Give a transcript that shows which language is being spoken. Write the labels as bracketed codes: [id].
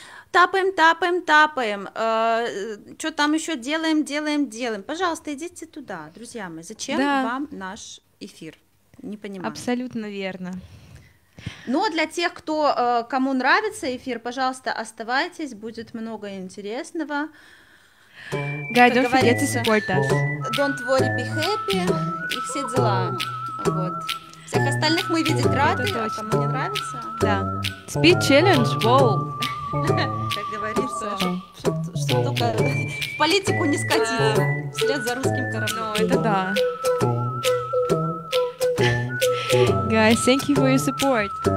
[ru] Тапаем, что там еще делаем. Пожалуйста, идите туда, друзья мои. Зачем вам наш эфир? Не понимаю. Абсолютно верно. Но для тех, кто кому нравится эфир, пожалуйста, оставайтесь, будет много интересного. [en] Guys, don't forget to support us. Don't worry, be happy. [ru] И все дела. Вот. Всех остальных мы видеть рады, а кому не нравится... [en] Да. Speed challenge, wow. [ru] Как говоришь, что только в политику не скатиться, вслед за русским кораблем. Это да. [en] Guys, thank you for your support.